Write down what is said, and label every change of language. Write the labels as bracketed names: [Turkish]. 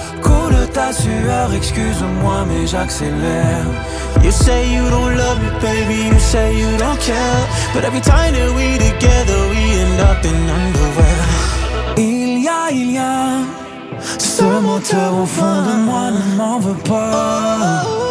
[French] Coule ta sueur, excuse-moi mais j'accélère. [English] You say you don't love me baby, you say you don't care. But every time that we together we end up in underwear. [French] Il y a ce moteur au fond de moi ne m'en veut pas.